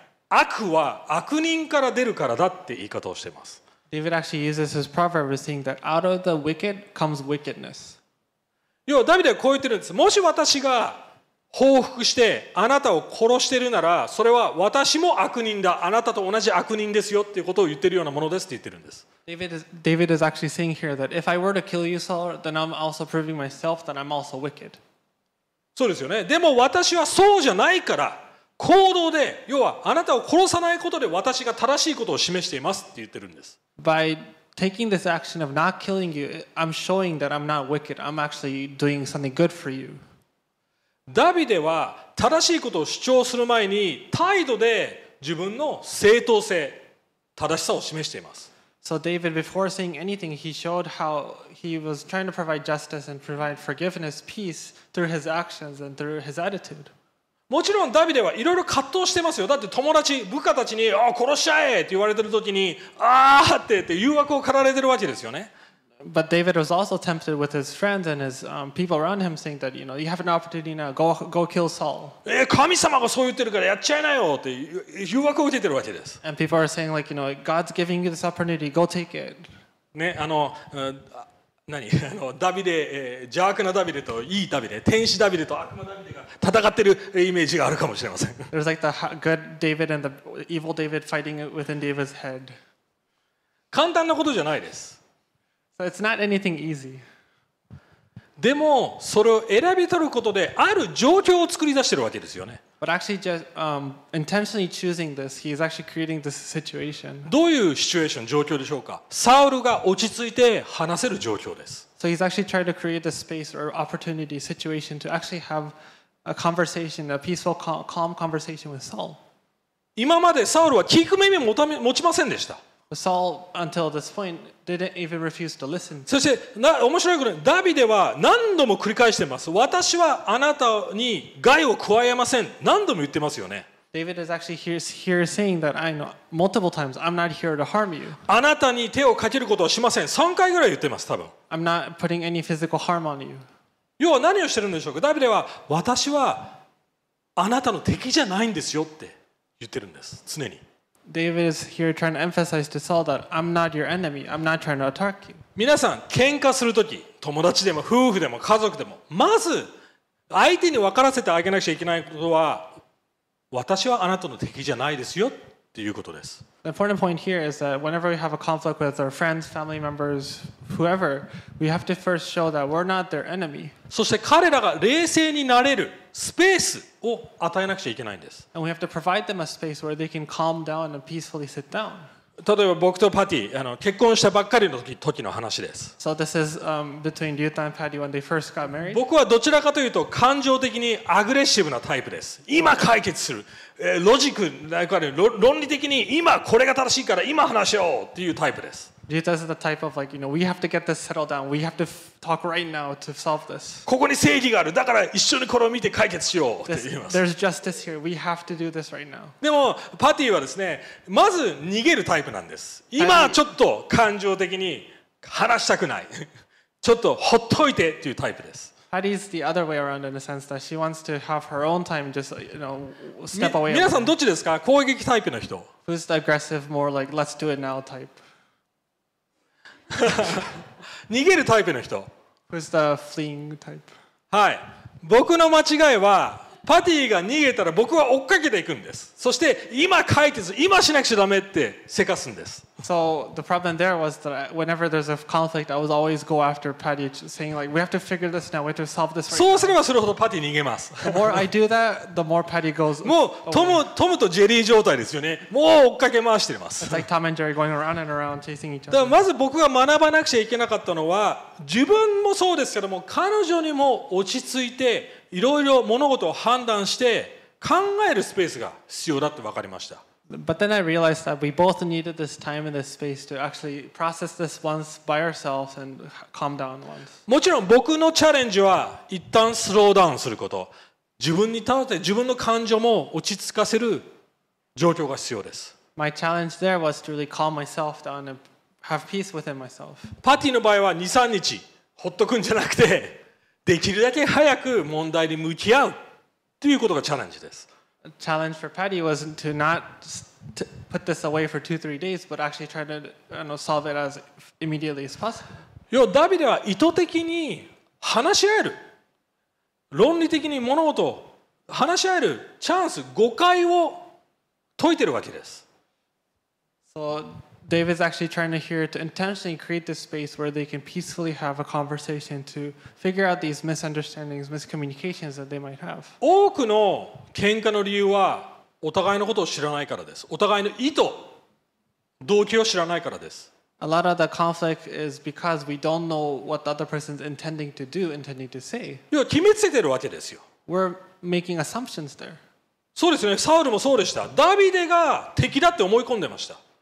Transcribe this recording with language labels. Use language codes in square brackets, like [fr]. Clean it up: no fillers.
[ja] 悪は悪人から出るからだって言い方をしています。 [en] David actually uses his proverb saying that out of the wicked comes wickedness. [ja] いや、ダビデはこう言ってるんです。もし私が報復してあなたを殺してるなら、それは私も悪人だ。あなたと同じ悪人ですよっていうことを言ってるようなものですって言ってるんです。 [en] David is actually saying here that if I were to kill you, Saul, then I'm also proving myself that I'm also wicked. [ja] そうですよね。でも私はそうじゃないから、行動で、要はあなたを殺さないことで私が正しいことを示していますって言ってるんです。 [en] By taking this action of not killing you, I'm showing that I'm not wicked. I'm actually doing something good for you. [ja] ダビデは正しいことを主張する前に態度で自分の正当性、正しさを示しています。 [en] So David, before saying anything, he showed how he was trying to provide justice and provide forgiveness, peace through his actions and through his attitude. [ja] もちろんダビデはいろいろ葛藤してますよ。だって友達、部下たちに、あ、殺しちゃえって言われてるときに、あーって誘惑を駆られてるわけですよね。 [en] But David was also tempted with his friends and his people around him saying that, you know, you have an opportunity now, go kill Saul. [ja] 神様がそう言ってるからやっちゃいなよって誘惑を受けてるわけです。 [en] And people are saying like, you know, God's giving you this opportunity, go take it. [ja] ね、ダビデ、邪悪なダビデといいダビデ、天使ダビデと悪魔ダビデが戦ってるイメージがあるかもしれません。 [en] There's like the good David and the evil David fighting within David's head. [ja] 簡単なことじゃないです。 [en] So it's not anything easy. [ja] でも、それを選び取ることで、ある状況を作り出してるわけですよね。 [en] But actually just, intentionally choosing this, he's actually creating this situation. [ja] どういうシチュエーション、状況でしょうか？サウルが落ち着いて話せる状況です。 [en] So he's actually trying to create a space or opportunity situation to actually have a conversation, a peaceful, calm conversation with Saul. [ja] 今までサウルは聞く耳を持ちませんでした。 [en] Saul, until this point, didn't even refuse to listen. [ja] そして、な、面白いことに、ダビデは何度も繰り返しています。私はあなたに害を加えません。何度も言ってますよね。 [en] David is actually here saying that I know multiple times, I'm not here to harm you. [ja] あなたに手をかけることはしません。3回ぐらい言ってます、多分。 [en] I'm not putting any physical harm on you. [ja] 要は何をしてるんでしょうか。ダビデは私はあなたの敵じゃないんですよって言ってるんです。常に。 [en] David is here trying to emphasize to Saul that I'm not your enemy. I'm not trying to attack you. [ja] 皆さん、喧嘩するとき、友達でも夫婦でも家族でも、まず相手に分からせてあげなくちゃいけないことは、私はあなたの敵じゃないですよっていうことです。 [en] The important point here is that whenever we have a conflict with our friends, family members, whoever, we have to first show that we're not their enemy. [ja] そして彼らが冷静になれるスペースを与えなくちゃいけないんです。 [en] And we have to provide them a space where they can calm down and peacefully sit down. [ja] 例えば僕とパティ、結婚したばっかりの時の話です。 [en] So this is between Yuta and Patty when they first got married. [ja] 僕はどちらかというと感情的にアグレッシブなタイプです。今解決する。ロジック、論理的に今これが正しいから今話しようっていうタイプです。 [en] Yuta is the type of like, you know, we have to get this settled down. We have to talk right now to solve this. [ja] ここに正義がある。だから一緒にこれを見て解決しようって言います。 [en] There's justice here. We have to do this right now. [ja] でも、パティはですね、まず逃げるタイプなんです。今ちょっと感情的に話したくない。ちょっとほっといてっていうタイプです。 [en] Patty is the other way around in the sense that she wants to have her own time, just you know, step away. [ja] 皆さんどっちですか？攻撃タイプの人。 [en] Who's the aggressive, more like let's do it now type? [ja] 逃げるタイプの人。 [en] Who's the fleeing type? [ja] はい。僕の間違いはパティが逃げたら僕は追っかけていくんです。そして今解決、今しなくちゃダメってせかすんです。 [en] So the problem there was that whenever there's a conflict, I would always go after Patty, saying like, we have to figure this now, we have to solve this. [ja] そうすればするほどパティ逃げます。 [en] The more I do that, the more Patty goes. [ja] もうトムとジェリー状態ですよね。もう追っかけ回してます。 [en] It's like Tom and Jerry going around and around chasing each other. [ja] だからまず僕が学ばなくちゃいけなかったのは、自分もそうですけども、彼女にも落ち着いて、いろいろ物事を判断して考えるスペースが必要だって分かりました。 [en] But then I realized that we both needed this time and this space to actually process this once by ourselves and calm down once. [ja] もちろん僕のチャレンジは一旦スローダウンすること。自分に頼って自分の感情も落ち着かせる状況が必要です。 [en] My challenge there was to really calm myself down and have peace within myself. [ja] パティの場合は 2,3 日ほっとくんじゃなくて、できるだけ早く問題に向き合うということがチャレンジです。 [en] Challenge for Patty was to not put this away for 2-3 days, but actually try to solve it as immediately as possible. [ja] よ、ダビデは意図的に話し合える、論理的に物事を話し合えるチャンス、誤解を解いてるわけです。 [en] So David is actually trying to here to intentionally create this space where they can peacefully have a conversation to figure out these misunderstandings, miscommunications that they might have. [ja] 多くの喧嘩の理由はお互いのことを知らないからです。お互いの意図、動機を知らないからです。 [en] A lot of the conflict is because we don't know what the other person is intending to do, intending to say. [ja] 要は決めつけてるわけですよ。 [en] We're making assumptions there. [ja] そうですね。サウルもそうでした。ダビデが敵だって思い込んでました。